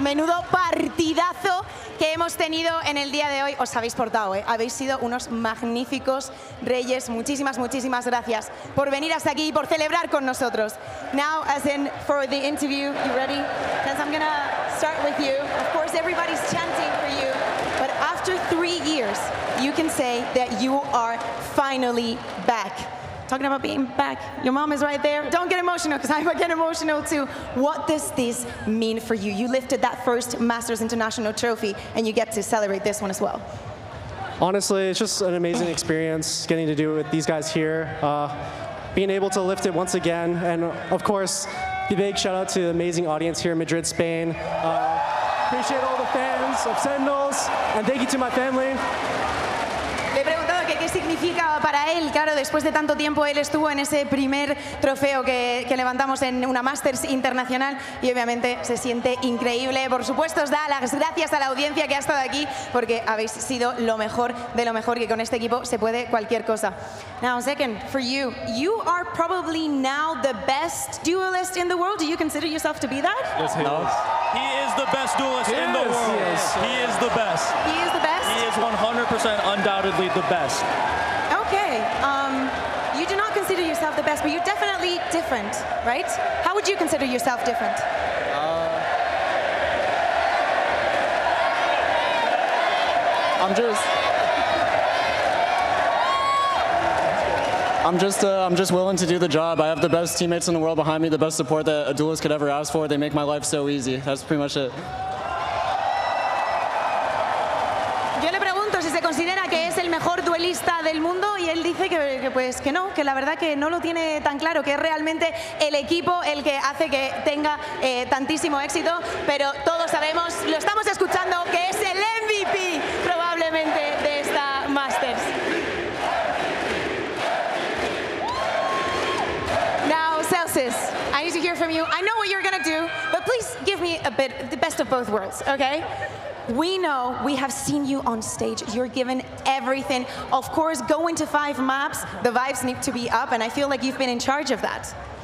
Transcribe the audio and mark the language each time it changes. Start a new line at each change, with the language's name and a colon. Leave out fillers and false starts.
Spanish: Menudo partidazo que hemos tenido en el día de hoy. Os habéis portado, ¿eh? Habéis sido unos magníficos reyes. Muchísimas, muchísimas gracias por venir hasta aquí y por celebrar con nosotros.
English: Now, as in for the interview, you ready? Because I'm gonna start with you. Of course, everybody's chanting for you. But after 3 years, you can say that you are finally back. Talking about being back, your mom is right there. Don't get emotional, because I get emotional too. What does this mean for you? You lifted that first Masters International trophy, and you get to celebrate this one as well. Honestly, it's just an amazing experience getting to do it with these guys here. Being able to lift it once again, and of course, the big shout out to the amazing audience here in Madrid, Spain. Appreciate all the fans of Sentinels, and thank you to my family.
Spanish: ¿Qué significa para él? Claro, después de tanto tiempo él estuvo en ese primer trofeo que levantamos en una Masters Internacional y obviamente se siente increíble. Por supuesto, os da las gracias a la audiencia que ha estado aquí porque habéis sido lo mejor de lo mejor, que con este equipo se puede cualquier cosa.
English: Now, second, for you. You are probably now the best duelist in the world. Do you consider yourself to be that? Yes, he is the best duelist in the world. He is the best. He is 100% undoubtedly the best. Okay, you do not consider yourself the best, but you're definitely different, right? How would you consider yourself different? I'm just willing to do the job. I have the best teammates in the world behind me, the best support that a duelist could ever ask for. They make my life so easy. That's pretty much it.
Spanish: Del mundo y él dice que la verdad que no lo tiene tan claro, que es realmente el equipo el que hace que tenga tantísimo éxito, pero todos sabemos, lo estamos escuchando, que es el MVP probablemente de esta Masters.
English: Now, Celsius, I need to hear from you. I know what you're gonna do, but please give me a bit the best of both worlds, okay? We know, we have seen you on stage. You're given everything. Of course, going to 5 maps, the vibes need to be up, and I feel like you've been in charge of that.